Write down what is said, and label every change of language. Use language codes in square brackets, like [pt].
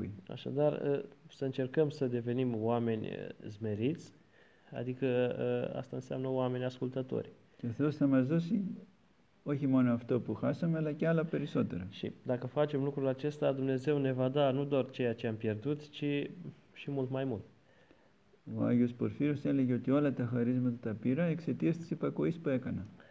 [ro] Așadar, să încercăm să devenim oameni zmeriți, Adică asta înseamnă oameni ascultători. [el] Και Θεό θα μα δώσει όχι μόνο αυτό που χάσαμε, αλλά και άλλα περισσότερα. [ro] Și dacă facem lucrul acesta, Dumnezeu ne va da nu doar ceea ce am pierdut, ci și mult mai mult. [el] Ο Άγιος Πορφύριος έλεγε ότι όλα τα χαρίσματα τα πήρα εξαιτίας της υπακοής που έκανα.